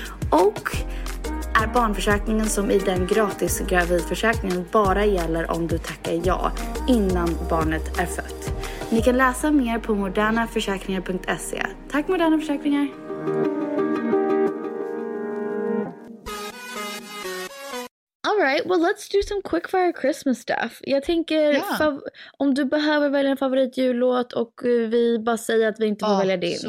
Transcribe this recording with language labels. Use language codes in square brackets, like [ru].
[sv] Och är barnförsäkringen som i den gratis gravidförsäkringen bara gäller om du tackar ja innan barnet är fött. Ni kan läsa mer på modernaförsäkringar.se. Tack Moderna Försäkringar! [en] All right, well let's do some quickfire Christmas stuff. [sv] Jag tänker, om du behöver välja en favoritjullåt och vi bara säger att vi inte får välja din.